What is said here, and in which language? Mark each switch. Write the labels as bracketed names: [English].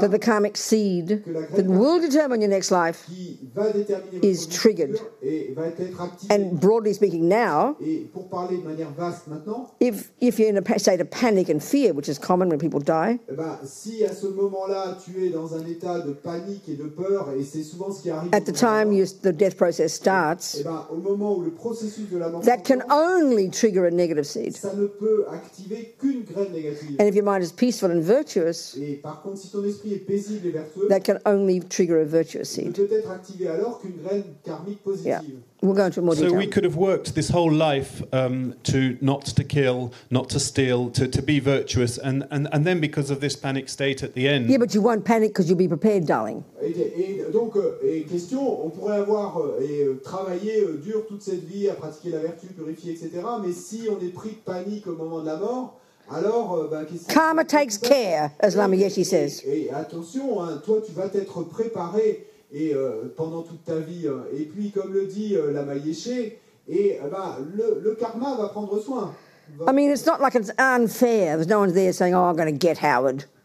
[English] that the karmic seed that will determine your next life [French] va déterminer [English] is triggered. [French] Et va être activé. [English] And broadly speaking now, [French] et pour parler de manière vaste maintenant, [English] if you're in a state of panic and fear, which is common when people die, [French] si à ce moment-là tu es dans un état de panique et de peur, et c'est souvent ce qui arrive [English] at the time the death process starts, [French] au moment où le processus de la mort [English] that can only trigger a negative seed. [French] Ça ne peut activer qu'une graine négative. [English] And if your mind is peaceful and virtuous, [French] et par contre, si ton esprit est paisible et vertueux, [English] that can only trigger a virtuous seed. [French] Peut être activé alors qu'une graine karmique positive. [English] Yeah. We'll go into more detail. So we could have worked this whole life to not to kill, not to steal, to be virtuous, and then because of this panic state at the end. Yeah, but you won't panic because you'll be prepared, darling. [French] Et question, on pourrait avoir travaillé dur toute cette vie à pratiquer la vertu, purifier, etc. Mais si on est pris de panique au moment de la mort. Alors, [English] karma takes care, as Lama Geshe says. [French] Et attention, toi tu vas t'être préparé et pendant toute ta vie. Et puis, comme le dit Lama Geshe, le karma va prendre soin. [English] I mean, it's not like it's unfair. There's no one's there saying, "Oh, I'm going to get Howard."